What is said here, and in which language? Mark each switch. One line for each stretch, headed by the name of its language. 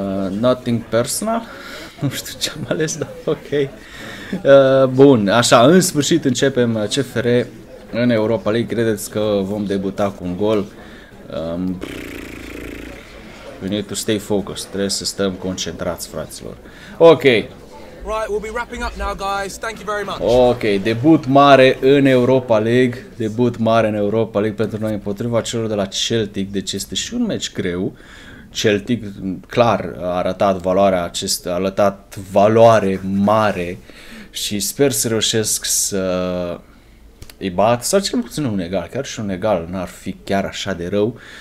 English: Nothing personal?
Romanian: Nu știu ce am ales, dar ok. Bun, așa, în sfârșit începem CFR în Europa League. Credeți că vom debuta cu un gol?
English: We need to stay focused.
Romanian: Trebuie să stăm concentrați, fraților. Ok.
English: Right, we'll be wrapping up now, guys. Thank you very much.
Romanian: Ok, debut mare în Europa League. Debut mare în Europa League pentru noi împotriva celor de la Celtic. Deci este și un meci greu. Celtic clar a arătat valoarea acestui, a arătat valoare mare și sper să reușesc să îi bat sau cel puțin un egal, chiar și un egal n-ar fi chiar așa de rău.